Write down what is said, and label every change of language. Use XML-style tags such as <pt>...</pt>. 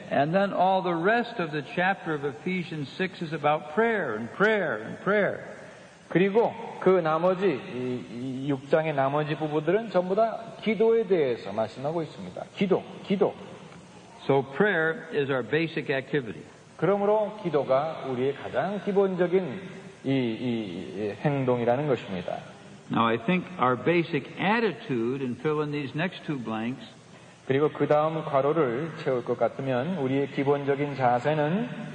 <en>And then all the rest of the chapter of Ephesians 6 is about prayer and prayer and prayer.</en> <ko>그리고 그 나머지 이 6장의 나머지 부분들은 전부 다 기도에 대해서 말씀하고 있습니다. 기도, 기도.</ko> <en>So prayer is our basic activity.</en> <ko>그러므로 기도가 우리의 가장 기본적인 이 행동이라는 것입니다.</ko> <en>Now I think our basic attitude and fill in these next two blanks.</en> <ko>그리고 그 다음 괄호를 채울 것 같으면 우리의 기본적인 자세는</ko>